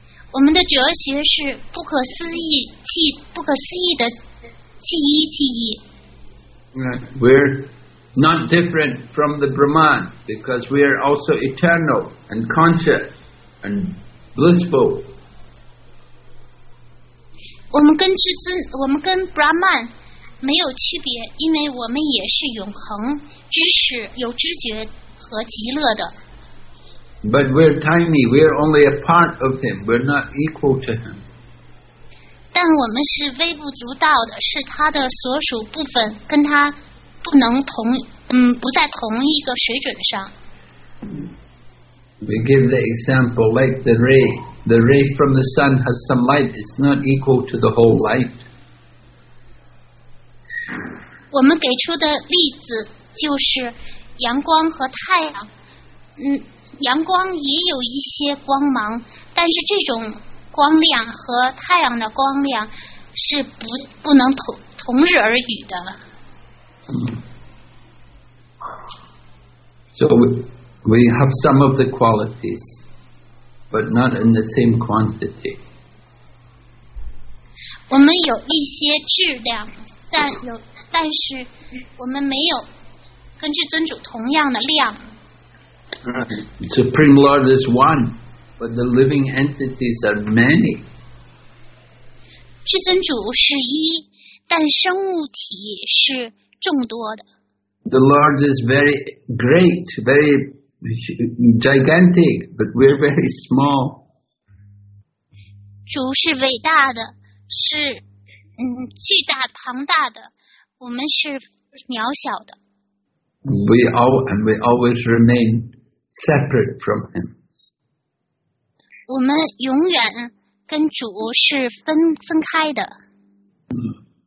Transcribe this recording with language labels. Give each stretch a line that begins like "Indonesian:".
Chinese: 我们的哲学是不可思议，即不可思议的即一即一。
English: We're not different from the Brahman, because we are also eternal and conscious and blissful.
Chinese: 我们跟至尊，我们跟 Brahman没有区别，因为我们也是永恒、知识、有知觉和极乐的。
English: But we're tiny. We're only a part of him. We're not equal to him.
Chinese: 但我们是微不足道的，是他的所属部分，跟他不能同，不在同一个水准上。
English: We give the example like the ray. The ray from the sun has some light. It's not equal to the whole light.
Chinese: 我们给出的例子就是阳光和太阳。阳光也有一些光芒，但是这种光亮和太阳的光亮是 不能 同日而语的。
English: So we have some of the qualities, but not in the same quantity.
Chinese: 我们有一些质量，但有但是我们没有跟至尊主同样的量。
English: Right. Supreme Lord is one, but the living entities are many.
Chinese: 至尊主是一，但生物体是众多的。
English: The Lord is very great, very gigantic, but we're very small.
Chinese: 主是伟大的，是巨大庞大的。我们是渺小的。
English: We always remain separate from him.
Chinese: 我们永远跟主是分开的。